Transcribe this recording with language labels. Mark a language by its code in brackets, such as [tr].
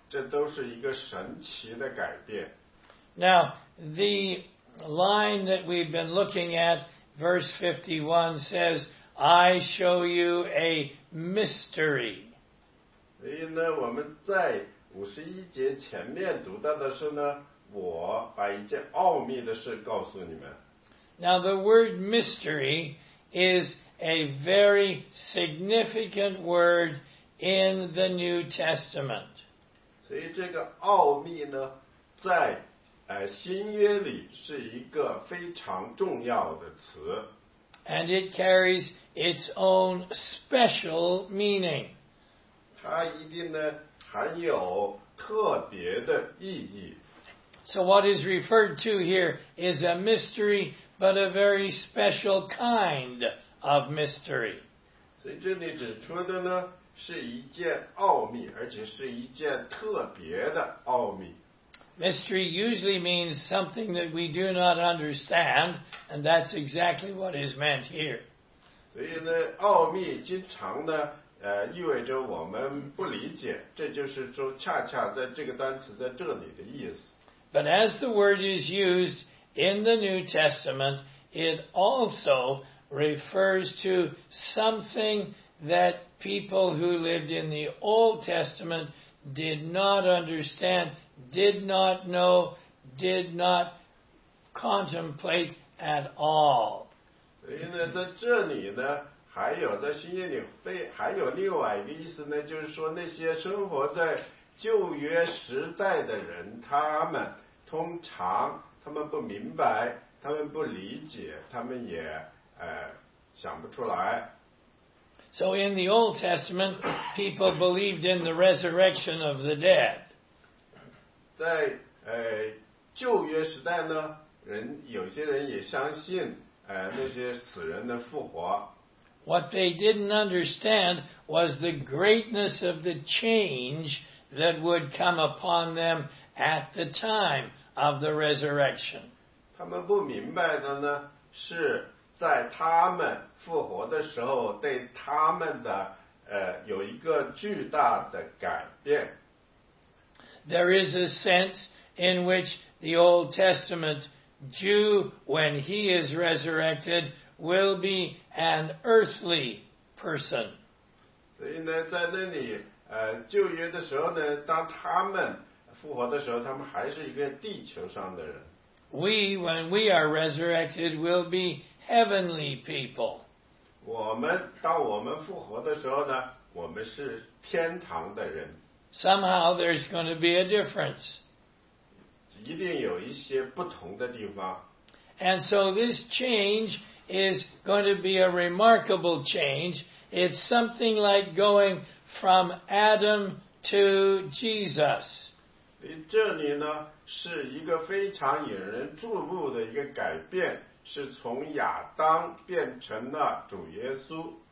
[zh] 我们不知道那些指的是什么,但是我们知道这都是一个神奇的改变。 [en] Now, the line that we've been looking at, verse 51 says, I show you a mystery. [zh] 所以呢, 我们在, 五十一节前面读到的是呢，我把一件奥秘的事告诉你们。 [en] Now the word mystery is a very significant word in the New Testament. [zh] 所以这个奥秘呢，在新约里是一个非常重要的词。 [en] And it carries its own special meaning. [zh] 它一定呢含有特别的意义。 [en] So what is referred to here is a mystery, but a very special kind of mystery. [zh] 所以这里指出的呢是一件奥秘，而且是一件特别的奥秘。 [en] Mystery usually means something that we do not understand, and that's exactly what is meant here. [zh] 所以呢，奥秘经常呢，意味着我们不理解，这就是说恰恰在这个单词在这里的意思。 [en] But as the word is used in the New Testament, it also refers to something that people who lived in the Old Testament did not understand, did not know, did not contemplate at all. [zh] 所以呢，在这里呢，还有在新约里还有另外一个意思呢，就是说那些生活在旧约时代的人，他们通常他们不明白，他们不理解，他们也想不出来。 [en] So in the Old Testament, people believed in the resurrection of the dead. [zh] 在旧约时代呢，有些人也相信那些死人的复活。 [en] What they didn't understand was the greatness of the change that would come upon them at the time of the resurrection. [zh] 他们不明白的呢，是在他们复活的时候，对他们的有一个巨大的改变。 [en] There is a sense in which the Old Testament Jew, when he is resurrected, will be an earthly person. [zh] 所以呢，在那里旧约的时候呢，当他们复活的时候，他们还是一个地球上的人。 [en] We, when we are resurrected, will be heavenly people. [zh] 我们当我们复活的时候呢，我们是天堂的人。 [en] Somehow there's going to be a difference. [zh] 一定有一些不同的地方。 [en] And so this change is going to be a remarkable change. It's something like going from Adam to Jesus. [zh] 这里呢是一个非常引人注目的一个改变，是从亚当变成了主耶稣。